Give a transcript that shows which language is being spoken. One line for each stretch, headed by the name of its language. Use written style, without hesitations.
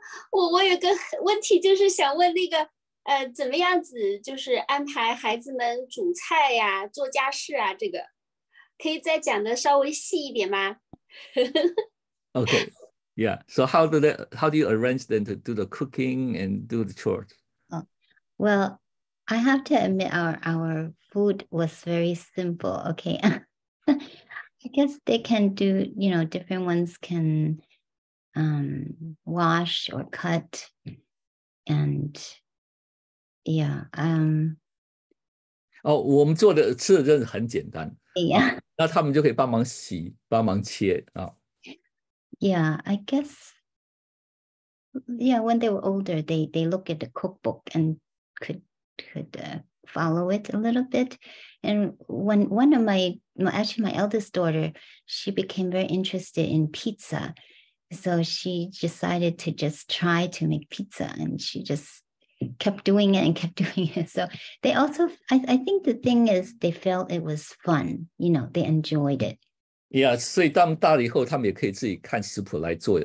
Chinese: 我有个问题，就是想问那个，怎么样子，就是安排孩子们煮菜呀、做家事啊，这个可以再讲的稍微细一点吗？
English: Okay. Yeah, so how do you arrange them to do the cooking and do the chores? Well, I have to admit our food was very simple. Okay. I guess they can do, you know, different ones can wash or cut. And yeah,
Chinese: 哦，我们做的吃的真的很简单啊，
English: yeah.
Chinese: 那他们就可以帮忙洗、帮忙切啊。
English: Yeah, I guess. Yeah, when they were older, they look at the cookbook and could follow it a little bit. And when one of my, well, actually my eldest daughter, she became very interested in pizza, so she decided to just try to make pizza, and she just kept doing it and kept doing it. So they also, I think the thing is they felt it was fun. You know, they enjoyed it.
Chinese: Yeah, 所以当大了以后，他们也可以自己看食谱来做。